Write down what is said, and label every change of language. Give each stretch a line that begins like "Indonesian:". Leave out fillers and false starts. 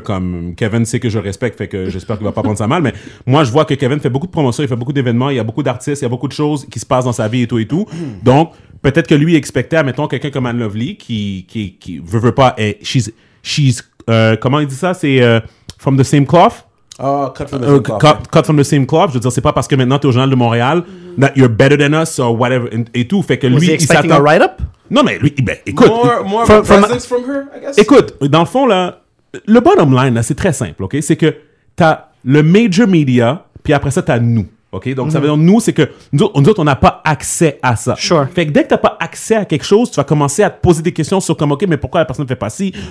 French: Comme Kevin sait que je respecte, fait que j'espère qu'il va pas prendre ça mal. Mais moi, je vois que Kevin fait beaucoup de promotion, il fait beaucoup d'événements, il y a beaucoup d'artistes, il y a beaucoup de choses qui se passent dans sa vie et tout. Donc peut-être que lui expectait, admettons, quelqu'un comme Anne Lovely qui veut pas. Et
English: she's
French: comment il dit ça? C'est
English: from the same cloth. Oh, cut from the same club.
French: Je veux dire, c'est pas parce que maintenant t'es au Journal de Montréal, mm-hmm.
English: that you're better than us or whatever
French: et tout. Fait que
English: was
French: lui,
English: he expecting a write-up?
French: Non, mais lui, ben, écoute.
English: More presence from her, I guess.
French: Écoute, dans le fond, là, le bottom line, là, c'est très simple, OK? C'est que t'as le major media, puis après ça, t'as nous, OK? Donc, mm-hmm. ça veut dire nous, c'est que nous autres, on n'a pas accès à ça.
English: Sure.
French: Fait que dès que t'as pas accès à quelque chose, tu vas commencer à te poser des questions sur comme, OK, mais pourquoi la personne fait pas ci, mm-hmm.